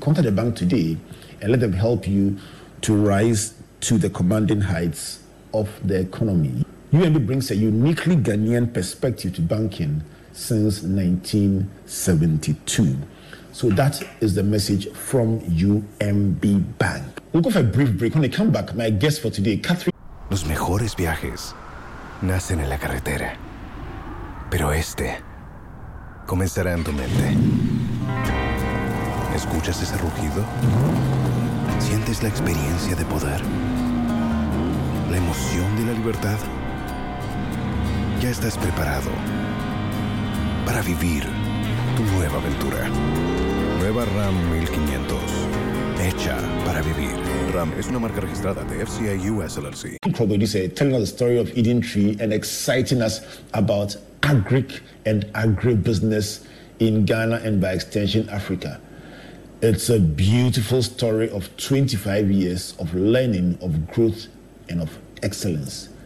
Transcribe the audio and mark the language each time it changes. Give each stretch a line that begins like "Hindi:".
English: Contact the bank today and let them help you to rise to the commanding heights of the economy. UMB brings a uniquely Ghanaian perspective to banking since 1972. So that is the message from UMB Bank. We'll go for a brief break. When I come back, my guest for today, Catherine.
Spanish: Los mejores viajes nacen en la carretera, pero este comenzará en tu mente. ¿Escuchas ese rugido? ¿Sientes la experiencia de poder? ¿La emoción de la libertad? Ya estás preparado para vivir tu nueva aventura. Nueva Ram 1500. Hecha para vivir. Ram es una marca registrada de FCA US LLC.
English: Probably you say, telling us the story of Eden Tree and exciting us about agri and agribusiness in Ghana and by extension Africa. It's a beautiful story of 25 years of learning, of growth, and of excellence.